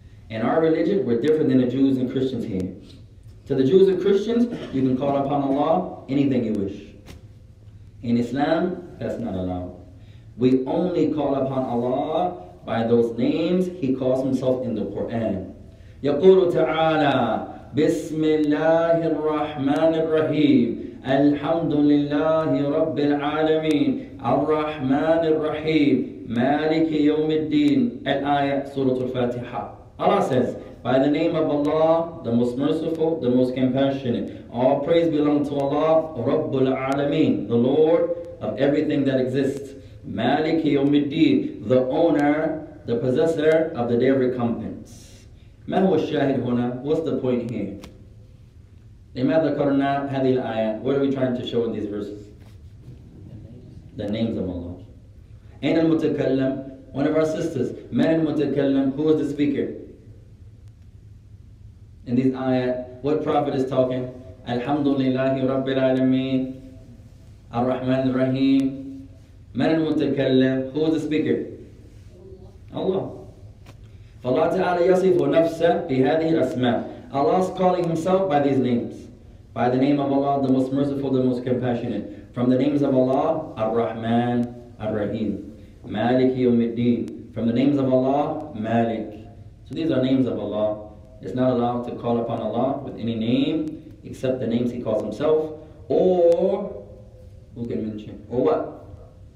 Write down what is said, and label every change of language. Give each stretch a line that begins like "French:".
English: In our religion, we're different than the Jews and Christians here. To the Jews and Christians, you can call upon Allah anything you wish. In Islam, that's not allowed. We only call upon Allah by those names He calls Himself in the Quran.
Arabic: يقول تعالى بسم الله الرحمن الرحيم الحمد لله رب العالمين الرحمن الرحيم مالك يوم الدين الآية سورة الفاتحة.
English: Allah says, by the name of Allah, the most merciful, the most compassionate. All praise belong to Allah, Rabbul Alameen, the Lord of everything that exists. Maliki Yawmiddin, the owner, the possessor of the day of recompense.
Arabic: ما هو الشاهد هنا?
English: What's the point here?
Arabic: لماذا ذكرنا هذه الآية?
English: What are we trying to show in these verses? The names of Allah.
Arabic: أين المتكلم?
English: One of our sisters.
Arabic: من المتكلم?
English: Who is the speaker? In this ayah, what prophet is talking?
Arabic: Alhamdulillahi Rabbil Alameen.
English: Ar-Rahman Ar-Rahim.
Arabic: من المتكلم?
English: Who is the speaker? Allah.
Arabic: فالله تعالى يصف نفسه بهذه الأسماء.
English: Allah is calling himself by these names. By the name of Allah, the most merciful, the most compassionate. From the names of Allah, Ar-Rahman Ar-Rahim. Malik Yawmiddin. From the names of Allah, Malik. So these are names of Allah. It's not allowed to call upon Allah with any name except the names he calls himself or who can mention or what?